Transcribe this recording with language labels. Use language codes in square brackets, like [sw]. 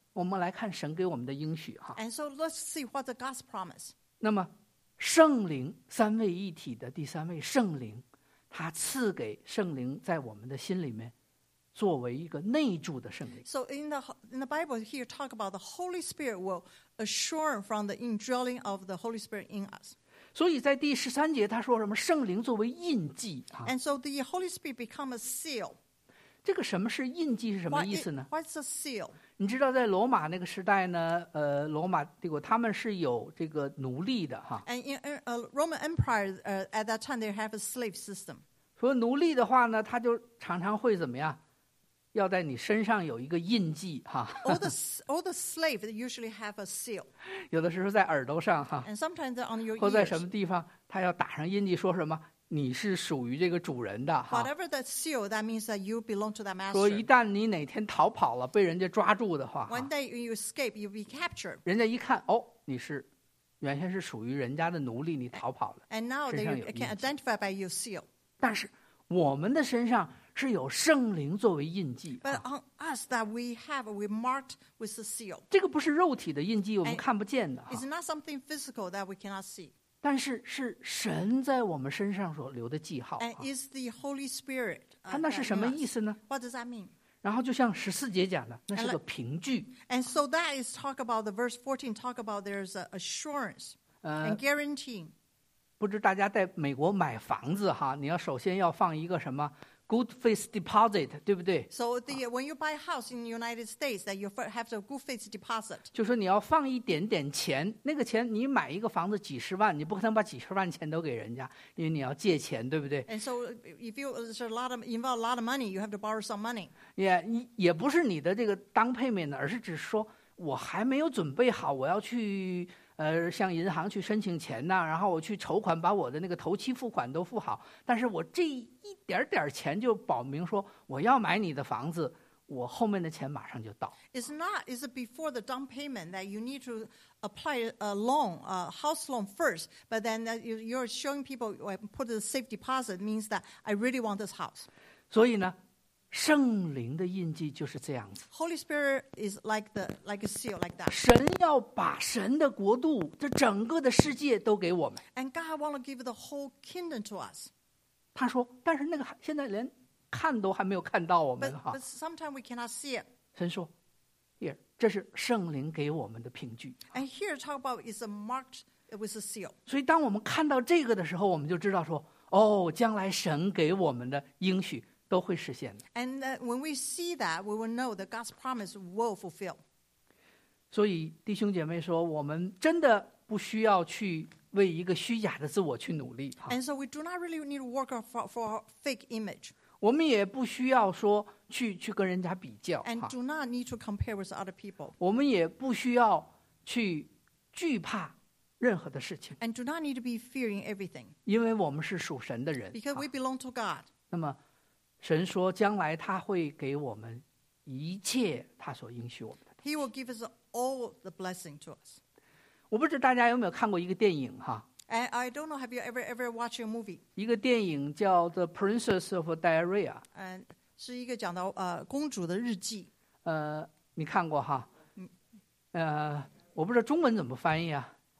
[zh] 我们来看神给我们的应许。 [en] And so let's see what the God's promise. [zh] 那么圣灵三位一体的第三位圣灵，他赐给圣灵在我们的心里面作为一个内住的圣灵。 [en] So in the Bible here talk about the Holy Spirit will assure from the indwelling of the Holy Spirit in us. [zh] 所以在第十三节他说什么圣灵作为印记。 [en] And so the Holy Spirit become a seal. [zh] 这个什么是印记是什么意思呢？ [en] What's a seal? [zh] 你知道在罗马那个时代呢，罗马帝国他们是有这个奴隶的。 [en] And in Roman Empire, at that time they have a slave system. [zh] 所以奴隶的话呢，他就常常会怎么样，要在你身上有一个印记。 [en] All the slaves usually have a seal. [zh] 有的时候在耳朵上。 [en] And sometimes on your ears. [zh] 或在什么地方他要打上印记说什么，你是属于这个主人的。 [en] Whatever the seal, that means that you belong to that master. [zh] 所以一旦你哪天逃跑了被人家抓住的话。 [en] One day you escape, you'll be captured. [zh] 人家一看，哦，你是原先是属于人家的奴隶，你逃跑了。 [en] And now they can identify by your seal. [zh] 但是我们的身上是有圣灵作为印记。 [en] But on us that we have, we marked with the seal. [zh] 这个不是肉体的印记，我们看不见的。 [en] It's not something physical that we cannot see. [zh] 但是是神在我们身上所留的记号。 [en] And is the Holy Spirit? [zh] 它那是什么意思呢？ [en] What does that mean? [zh] 然后就像十四节讲的，那是个凭据。 [en] And so that is talk about the verse 14, talk about there's an assurance and guaranteeing. [zh] 不知大家在美国买房子哈，你要首先要放一个什么 good faith deposit, 对不对？ [en] So when you buy a house in the United States, that you have a good faith deposit. [zh] 就是你要放一点点钱，那个钱你买一个房子几十万，你不可能把几十万钱都给人家，因为你要借钱，对不对？ [en] And so if you involve a lot of money, you have to borrow some money. [zh] Yeah, 也不是你的这个down payment, 而是只是说我还没有准备好，我要去向银行去申请钱呢，然后我去筹款把我的那个头期付款都付好，但是我这一点点钱就保明说我要买你的房子，我后面的钱马上就到。 [en] It's before the down payment that you need to apply a loan, a house loan first, but then you're showing people, put a safe deposit means that I really want this house. [zh] 所以呢圣灵的印记就是这样子。 [en] Holy Spirit is like a seal, like that. [zh] 神要把神的国度，这整个的世界都给我们。 [en] And God wants to give the whole kingdom to us. [zh] 他说，但是那个现在连看都还没有看到我们哈。 [en] But sometimes we cannot see it. [zh] 神说 ， [en] Here, [zh] 这是圣灵给我们的凭据。 [en] And here talk about is a marked with a seal. [zh] 所以当我们看到这个的时候，我们就知道说，哦，将来神给我们的应许。都会实现的。 [en] And when we see that, we will know that God's promise will fulfill. [zh] 所以弟兄姐妹说，我们真的不需要去为一个虚假的自我去努力。 [en] And so we do not really need to work for a fake image. [zh] 我们也不需要说去跟人家比较。 [en] And do not need to compare with other people. [zh] 我们也不需要去惧怕任何的事情。 [en] And do not need to be fearing everything. [zh] 因为我们是属神的人。 [en] Because we belong to God. [zh] 那么神说将来他会给我们一切他所应许我们的。 [en] He will give us all the blessing to us. [zh] 我不知道大家有没有看过一个电影哈。 [en] I don't know, have you ever watched a movie? [zh] 一个电影叫 The Princess of Diarrhea. 是一个讲到公主的日记。你看过哈。我不知道中文怎么翻译啊。